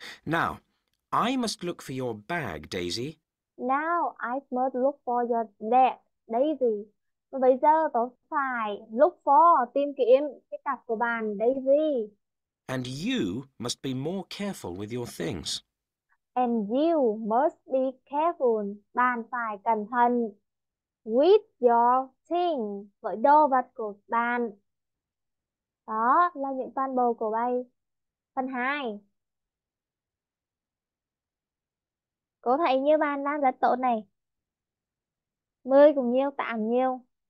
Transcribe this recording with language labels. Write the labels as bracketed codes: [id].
[en] Now, I must look for your bag, Daisy. Now I must look for your dad, Daisy. [vi] Bây giờ tôi phải [en] look for, [vi] tìm kiếm cái cặp của bạn, Daisy. [en] And you must be more careful with your things. And you must be careful. [vi] Bạn phải cẩn thận [en] with your thing, [vi] với đồ vật của bạn. Đó là những phần bồ của bài phần 2. Cô thấy như bạn làm rất tốt này. 10 cũng nhiều, 8 nhiều.